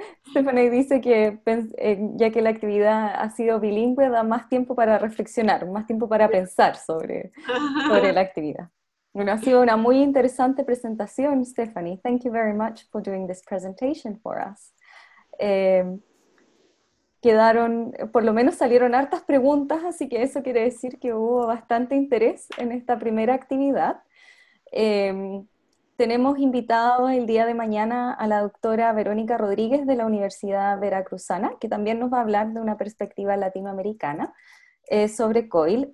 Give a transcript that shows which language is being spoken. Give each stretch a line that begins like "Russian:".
Spanish: Stephanie dice que ya que la actividad ha sido bilingüe, da más tiempo para reflexionar, más tiempo para pensar sobre la actividad. Bueno, ha sido una muy interesante presentación, Stephanie.
English: Thank you very much for doing this presentation for us.
Spanish: Quedaron, por lo menos salieron hartas preguntas, así que eso quiere decir que hubo bastante interés en esta primera actividad. Tenemos invitado el día de mañana a la doctora Verónica Rodríguez de la Universidad Veracruzana, que también nos va a hablar de una perspectiva latinoamericana sobre COIL.